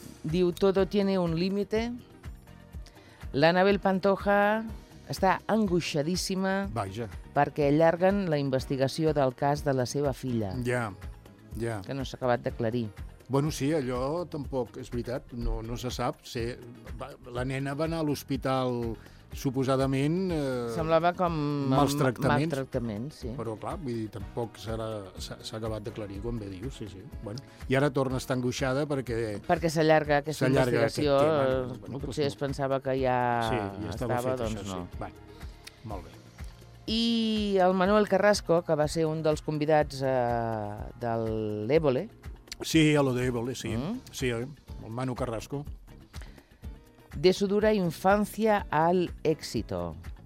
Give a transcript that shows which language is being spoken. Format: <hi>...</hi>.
<es>Diu, todo tiene un límite.</es> <ca>L'Anabel Pantoja... Està angoixadíssima. Vaja. Perquè allarguen la investigació del cas de la seva filla. Ja, ja. Que no s'ha acabat d'aclarir. Bueno, sí, allò tampoc és veritat. No se sap. Sí, la nena va anar a l'hospital, suposadament... Semblava com... Mals tractaments. Mals tractaments, sí. Però, clar, vull dir, tampoc s'ha acabat d'aclarir, com bé dius, sí, sí. Bueno, i ara torna a estar angoixada perquè... Perquè s'allarga aquesta investigació. Bueno, potser doncs, es pensava que ja, sí, ja estava fet, doncs això, no. Sí. Va, molt bé. I el Manuel Carrasco, que va ser un dels convidats del l'Évole. Sí, a lo de l'Évole, sí. Mm. Sí, el Manu Carrasco.</ca> <es>De su dura infancia al éxito.</es>